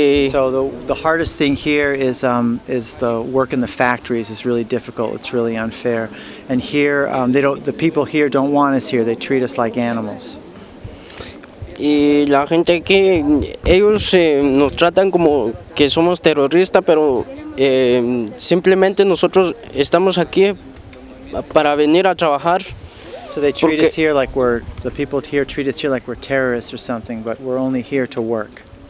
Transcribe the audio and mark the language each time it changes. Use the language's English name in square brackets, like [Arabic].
[English] So the hardest thing here is the work in the factories is really difficult. It's really unfair. And here the people here don't want us here. They treat us like animals. [Spanish] Y la gente aquí, ellos nos tratan como que somos terroristas, pero simplemente nosotros estamos aquí para venir a trabajar. [English] So they treat us here like we're, the people here treat us here like we're terrorists or something, but we're only here to work.